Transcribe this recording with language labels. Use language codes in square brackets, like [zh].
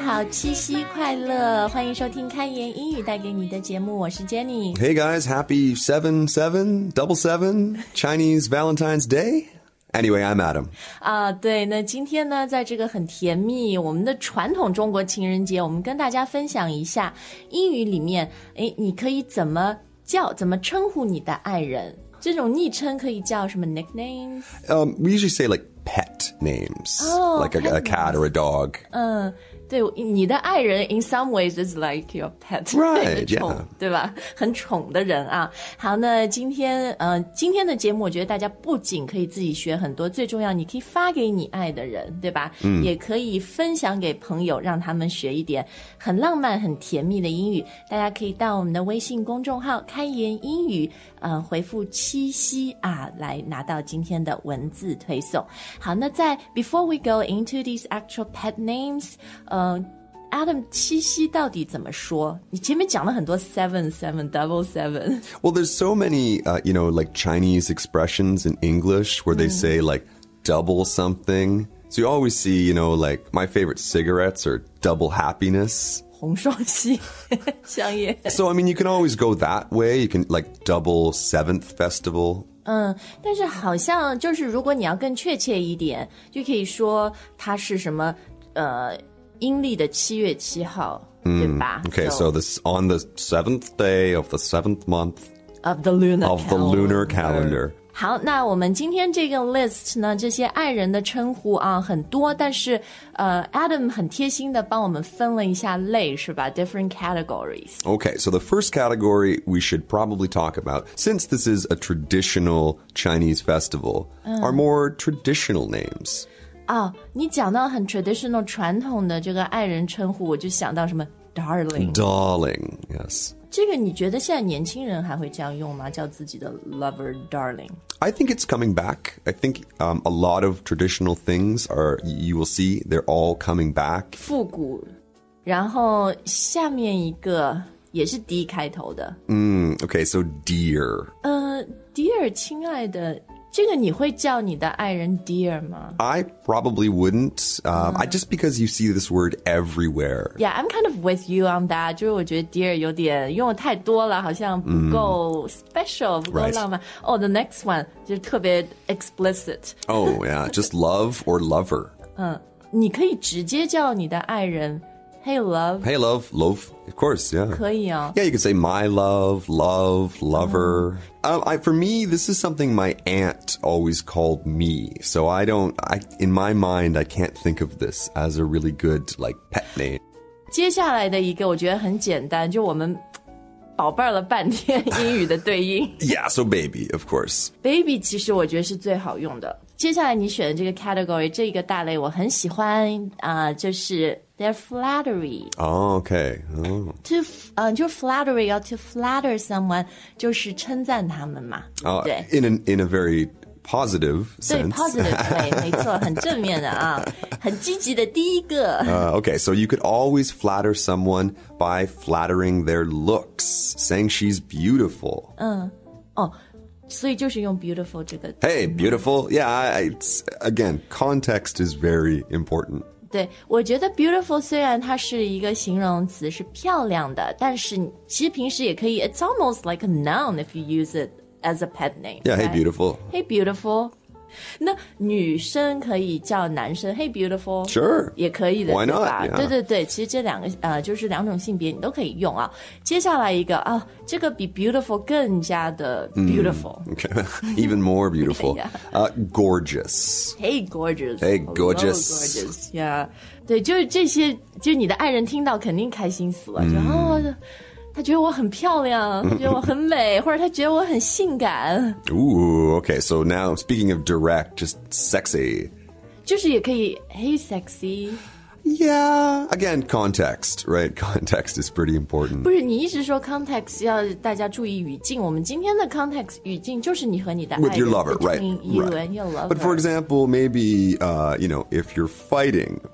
[zh] 七夕快乐，欢迎收听开言英语带给你的节目，我是 Jenny。 [en] Hey guys, happy 7-7-7-7 Chinese Valentine's Day. Anyway, I'm Adam. [zh] 对，那今天呢，在这个很甜蜜我们的传统中国情人节，我们跟大家分享一下英语里面，你可以怎么叫，怎么称呼你的爱人，这种昵称可以叫什么 nicknames? [en] We usually say like pet names, like a cat or a dog. [zh] 对，你的爱人 [en] in some ways is like your pet. Right, yeah. [zh] 对吧？很宠的人啊。好，那今天的节目，我觉得大家不仅可以自己学很多，最重要你可以发给你爱的人，对吧？也可以分享给朋友，让他们学一点很浪漫很甜蜜的英语。大家可以到我们的微信公众号开言英语，回复七夕啊，来拿到今天的文字推送。好，那在 [en] before we go into these actual pet names, [zh] Adam, 七夕到底怎么说？你前面讲了很多 7-7-7-7. [en] Well, there's so many, like Chinese expressions in English where they say like double something. So you always see, you know, like my favorite cigarettes are double happiness. [zh] 红双喜香烟。 [en] So, I mean, you can always go that way. You can like double seventh festival. [zh] 但是好像就是如果你要更确切一点，就可以说它是什么，阴历的七月七号，对吧？ [en] Okay, so this on the seventh day of the seventh month of the lunar calendar. Of the lunar calendar. [zh] 好，那我们今天这个 list 呢，这些爱人的称呼啊很多，但是Adam 很贴心的帮我们分了一下类，是吧？ [en] Different categories. Okay, so the first category we should probably talk about, since this is a traditional Chinese festival, are more traditional names. [zh] 你讲到很 traditional 传统的这个爱人称呼，我就想到什么 darling. [en] Darling, yes. [zh] 这个你觉得现在年轻人还会这样用吗？叫自己的 lover darling? [en] I think it's coming back. I think a lot of traditional things are, you will see, they're all coming back. [zh] 复古。然后下面一个也是 D 开头的。 [en] Okay, so dear. Dear, [zh] 亲爱的。这个你会叫你的爱人 dear 吗？ [en] I probably wouldn't. Just because you see this word everywhere. Yeah, I'm kind of with you on that. [zh] 就是我觉得 dear 有点用的太多了，好像不够 special,不够浪漫。 [en] Right. Oh, the next one, [zh] 就是特别 [en] explicit. Oh, yeah, just love or lover. [zh] 你可以直接叫你的爱人 [en] hey, love. Hey, love, love, of course, yeah. [zh] 可以哦。 [en] Yeah, you could say my love, love, lover. For me, this is something my aunt always called me. So in my mind, I can't think of this as a really good, like, pet name. [zh] 接下来的一个我觉得很简单，就我们宝贝儿了半天英语的对应。 [en] Yeah, so baby, of course. [zh] Baby 其实我觉得是最好用的。接下来你选的这个 category, 这个大类我很喜欢，就是 [en] they're flattery. Oh, okay. Oh. To, 就 flattery, or to flatter someone, [zh] 就是称赞他们嘛。 Oh, 对。 [en] In a very positive sense. [zh] 对 ,positive, 对没错很正面的啊。很积极的第一个。 [en] Okay, so you could always flatter someone by flattering their looks, saying she's beautiful. [zh] 所以就是用 beautiful 这个 [en] Hey, beautiful. Yeah, it's, again, context is very important. [zh] 对，我觉得 beautiful 虽然它是一个形容词，是漂亮的，但是其实平时也可以 [en] It's almost like a noun if you use it as a pet name. Yeah, right? Hey, beautiful. Hey, beautiful. [zh] 那女生可以叫男生 [en] Hey, beautiful. Sure. [zh] 也可以的 [en] Why not? [zh] 对吧、 [en] yeah. [zh] 对对对，其实这两个就是两种性别你都可以用啊。接下来一个啊。这个比 beautiful 更加的 beautiful. [en] Okay. Even more beautiful. Yeah. Gorgeous. Hey, gorgeous. Hey, gorgeous. Hello, gorgeous. Yeah. [zh] 对，就是这些，就你的爱人听到肯定开心死了，他觉得我很漂亮，他觉得我很美，或者他觉得我很性感。 [en] Ooh, okay. So now, speaking of direct, just sexy. [zh] 就是也可以 [en] hey, sexy. Yeah, again, context, right? Context is pretty important. [zh] 不是，你一直说 context 要大家注意语境。我们今天的 context 语境就是你和你的爱人。 [en] With your lover, right. You and your lover. But for example, maybe, you know, if you're fighting...